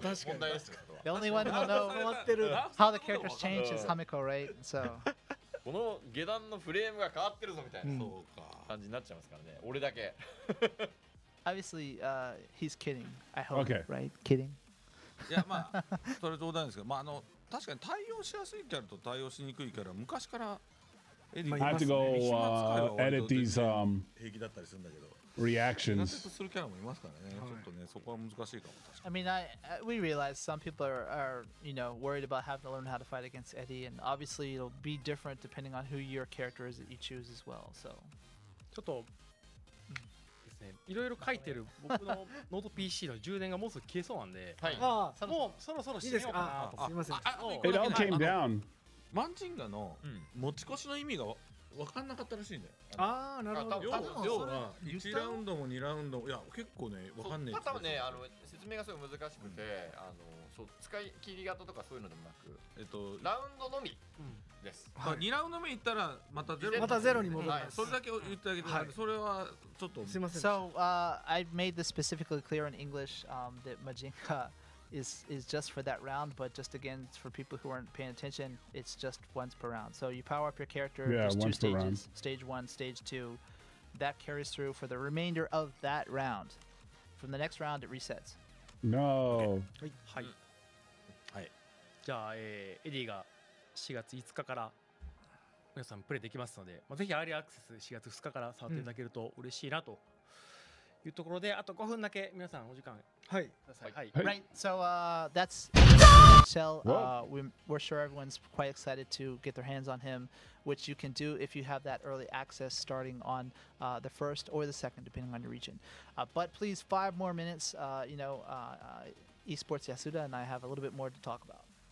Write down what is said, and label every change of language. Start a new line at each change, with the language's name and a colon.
English: The only one who'll know how the characters change is Hameko, right? So.
Japanese: この下段のフレームが変わってるぞみたいな感じになっちゃいますからね。俺だけ。
English: Obviously, he's kidding. I hope. Okay. Right? Kidding.
Japanese: いやまあそれ冗談ですけど、まああの確かに対応しやすいキャラと対応しにくいキャラ昔からエディがいますね。まあ今使いは平気だったりするんだけど、
English: reactions
Japanese: するキャラもいますからね。ちょっとねそこは難しいかも。
English: I mean, we realize some people are, you know, worried about having to learn how to fight against Eddy, and obviously it'll be different depending on who your character is that you choose as well. So
Japanese: ちょっと。いろいろ書いてる僕のノート PC の充電がもうすぐ消えそうなんで、もうそろそろ死ねようかなと。すみません。
English: It all came down。
Japanese: マンジンガの持ち越しの意味が分かんなかったらしいんだよ。ああ、なるほど。要は1ラウンドも2ラウンド、いや結構ね分かんねえ。多分ね、あの説明がすごい難しくて、あの使い切り型とかそういうのでもなく、ラウンドのみ。まあ2ラウンド目行ったらまたゼロ、またゼロに戻る。それだけ言ってあげて、それはちょっと。すみません。
English: So I've made this specifically clear in English that Majinka is just for that round, but just again, for people who aren't paying attention, it's just once per round. So you power up your character, yeah, just once two stages, per round. Stage one, stage two. That carries through for the remainder of that round. From the next round, it resets. No. Okay.
Japanese: はい。はい。じゃあ、エディが4月5日から皆さんプレイできますので、まあ、ぜひアーリーアクセス4月2日から触っていただけると嬉しいなというところで、あと5分だけ皆さんお時間ください。はい。はい。
English: Right. So, that's Shell. We're sure everyone's quite excited to get their hands on him. Which you can do if you have that early access starting on the first or the second, depending on your region. But please, five more minutes. You know, esports Yasuda and I have a little bit more to talk about.